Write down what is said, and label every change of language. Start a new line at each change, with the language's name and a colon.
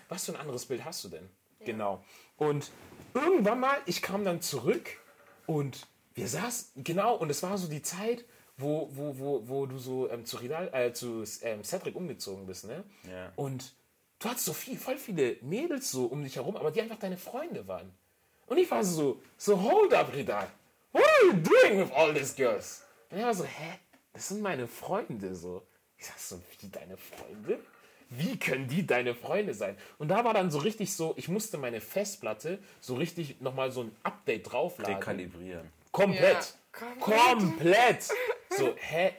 German: Was für ein anderes Bild hast du denn? Ja. Genau. Und irgendwann mal, ich kam dann zurück und wir saßen, genau, und es war so die Zeit, wo du so zu Cedric umgezogen bist, ne? Ja. Und du hattest so voll viele Mädels so um dich herum, aber die einfach deine Freunde waren. Und ich war so
English: hold up,
German: Ridal.
English: What are you doing with all these girls?
German: Und er war so, hä? Das sind meine Freunde, so. Ich sag so, wie deine Freunde? Wie können die deine Freunde sein? Und da war dann so richtig so, ich musste meine Festplatte so richtig nochmal so ein Update draufladen. Rekalibrieren. Komplett. Ja. Komplett! So, hä?